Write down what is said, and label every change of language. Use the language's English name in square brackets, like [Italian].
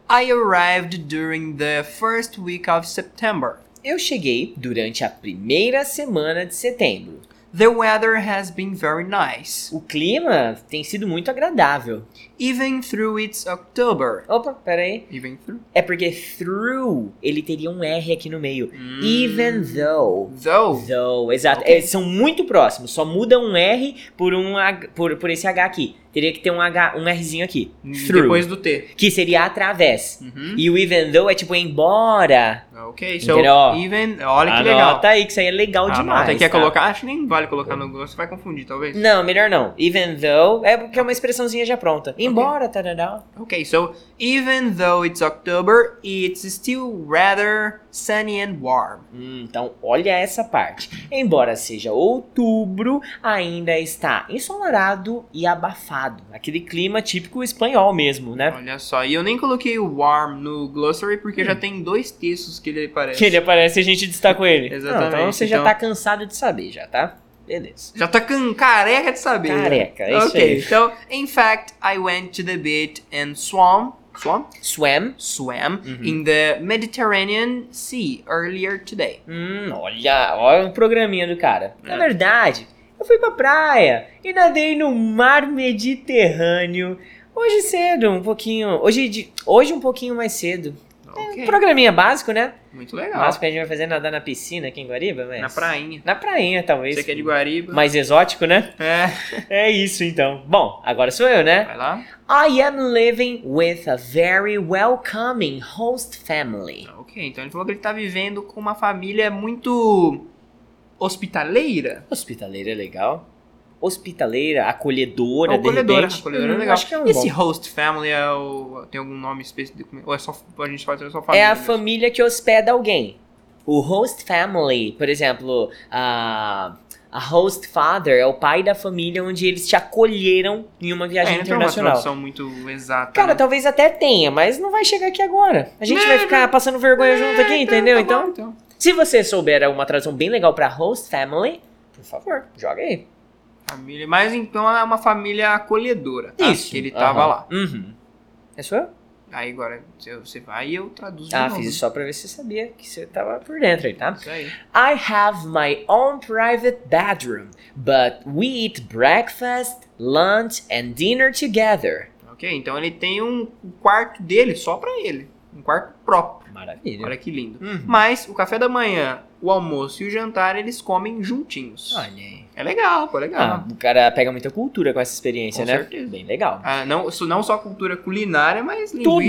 [English] I arrived during the first week of September. [Portuguese] Eu cheguei durante a primeira semana de setembro. [English] The weather has been very nice. [Portuguese] O clima tem sido muito agradável. [English] Even through its October. [Portuguese] Opa, peraí. [English] Even through. [Portuguese] É porque through, ele teria um R aqui no meio. [English] Even though. Though, [Portuguese] exato. [English] Okay. [Portuguese] É, são muito próximos, só muda um R por esse H aqui. Teria que ter um Rzinho aqui. Through. Depois do T. Que seria através. Uhum. E o [English] even though [Portuguese] é tipo embora. Ok, então, olha que legal. Anota aí, que isso aí é legal demais. Quer colocar? Acho que nem vale colocar no Google, você vai confundir, talvez. Não, melhor não. [English] Even though [Portuguese] é porque é uma expressãozinha já pronta. Embora, [English] okay. Tarará. Ok, so, even though it's October, it's still rather sunny and warm. [Portuguese] Então, olha essa parte. Embora seja outubro, ainda está ensolarado e abafado. Aquele clima típico espanhol mesmo, né? Olha só, e eu nem coloquei o warm no glossary porque já tem dois textos que ele aparece. Que ele aparece e a gente destacou ele. Exatamente. Então, você já tá cansado de saber, já, tá? Beleza. Já tá careca de saber. Careca, né? [English] Okay, [Portuguese] isso aí. Ok, então, [English] in fact, I went to the beach and swam uhum. In the Mediterranean Sea earlier today. [Portuguese] Olha o programinha do cara. Na verdade, eu fui pra praia e nadei no mar Mediterrâneo hoje cedo, hoje um pouquinho mais cedo. [English] Okay. [Portuguese] É um programinha básico, né? Muito legal. Básico que a gente vai fazer nadar na piscina aqui em Guariba, mas... Na prainha, talvez. Você que é de Guariba. Mais exótico, né? É. É isso, então. Bom, agora sou eu, né? Vai lá. [English] I am living with a very welcoming host family. [Portuguese] Ok, então ele falou que ele tá vivendo com uma família muito... hospitaleira. Hospitaleira é legal. Hospitaleira, acolhedora, acolhedora de repente. Acolhedora, é legal. Acho que é um esse bom. [English] Host family [Portuguese] é o... Tem algum nome específico? Ou é só... A gente fala que é só família. É a família que hospeda alguém. O [English] host family, [Portuguese] por exemplo, a [English] host father [Portuguese] é o pai da família onde eles te acolheram em uma viagem internacional. Não tem uma tradução muito exata. Cara, né? Talvez até tenha, mas não vai chegar aqui agora. A gente vai ficar passando vergonha junto aqui, entendeu? Então, tá bom, então, se você souber uma tradução bem legal pra [English] host family, [Portuguese] por favor, joga aí. Família, mas então é uma família acolhedora, tá? Isso. Que ele tava lá. Uhum. É só eu? Aí agora você vai e eu traduzo de novo. Fiz só pra ver se você sabia que você tava por dentro aí, tá? Isso aí. [English] I have my own private bedroom, but we eat breakfast, lunch and dinner together. [Portuguese] Ok, então ele tem um quarto dele só pra ele. Um quarto próprio. Maravilha. Olha que lindo. Uhum. Mas o café da manhã, o almoço e o jantar eles comem juntinhos. Olha aí. É legal, pô, legal. Ah, o cara pega muita cultura com essa experiência, com né? Com certeza. Bem legal. Ah, não só cultura culinária, mas linguística também.